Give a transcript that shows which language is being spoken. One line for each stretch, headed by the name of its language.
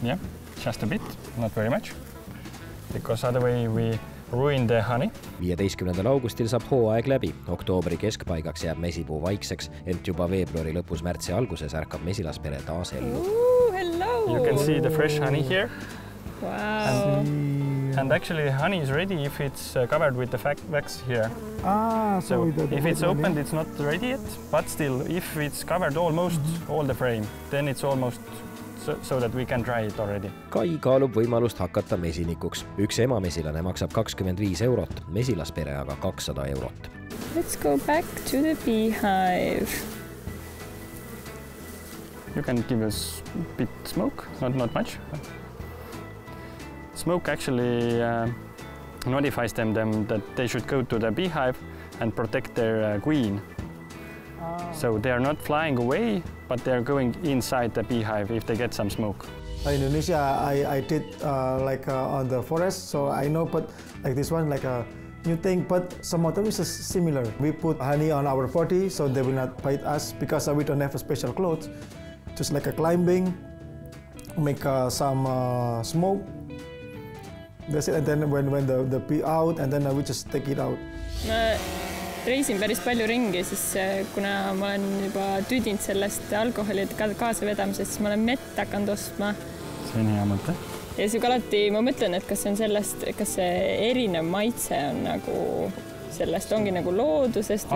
English: Yeah, just a bit, not very much. Because other way we ruin the honey.
Estonian: 15. augustil saab hooaeg läbi. Oktoobri keskpaigaks jääb mesipuu vaikseks, ent juba veebruari lõpus märtsi alguses ärkab mesilaspere taas ellu.
English: Hello! You can see the fresh honey here. Wow! And actually the honey is ready if it's covered with the wax here. So if it's opened, it's not ready yet. But still, if it's covered almost all the frame, then it's almost so that we can try it already.
Estonian: Kai kaalub võimalust hakata mesinikuks. Üks ema mesilane maksab 25 eurot, mesilaspere aga 200 eurot.
English: Let's go back to the beehive. You can give us a bit smoke, not much. Smoke actually notifies them that they should go to the beehive and protect their queen. So they are not flying away, but they are going inside the beehive if they get some smoke. In Indonesia, I did on the forest, so I know, but like this one, like a new thing, but some of them is similar. We put honey on our body, so they will not bite us because we don't have a special clothes. Just like a climbing, make some smoke. That's it, and then when the bee out, and then we just take it out.
Estonian: Reisin päris palju ringi, siis kuna ma olen juba tüdinud sellest alkoholi kaasa vedamisest, siis ma olen mett hakkanud ostma. See on hea mõte. Ja siis alati ma mõtlen, et kas see erinev maitse on nagu sellest, ongi nagu loodusest.